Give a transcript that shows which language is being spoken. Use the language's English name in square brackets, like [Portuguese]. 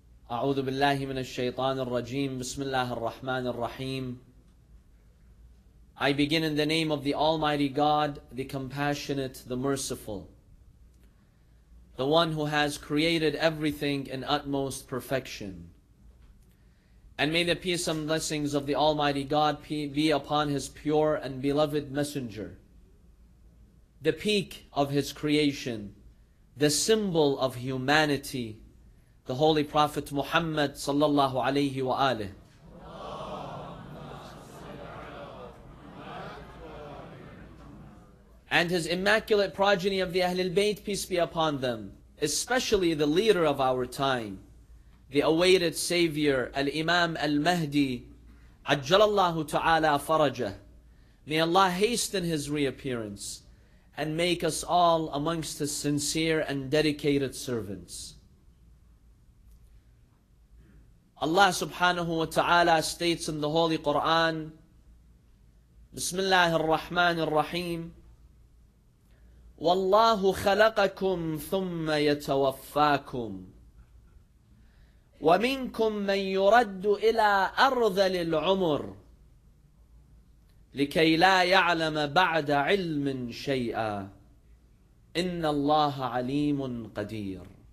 [Arabic] أعوذ بالله من الشيطان الرجيم. بسم الله الرحمن الرحيم. [English] I begin in the name of the Almighty God, the Compassionate, the Merciful, the One who has created everything in utmost perfection. And may the peace and blessings of the Almighty God be upon His pure and beloved Messenger, the peak of His creation, the symbol of humanity, the Holy Prophet Muhammad sallallahu alayhi wa alihi. And his immaculate progeny of the Ahlul Bayt, peace be upon them, especially the leader of our time, the awaited Savior, Al-Imam Al-Mahdi, ajjalallahu ta'ala farajah. May Allah hasten his reappearance and make us all amongst his sincere and dedicated servants. Allah subhanahu wa ta'ala states in the Holy Quran, Bismillah ar-Rahman ar-Rahim, [Arabic] وَاللَّهُ خَلَقَكُمْ ثُمَّ يَتَوَفَّاكُمْ وَمِنْكُمْ مَنْ يُرَدُّ إِلَىٰ أَرْذَلِ الْعُمُرِ لِكَيْ لَا يَعْلَمَ بَعْدَ عِلْمٍ شَيْئًا إِنَّ اللَّهَ عَلِيمٌ قَدِيرٌ.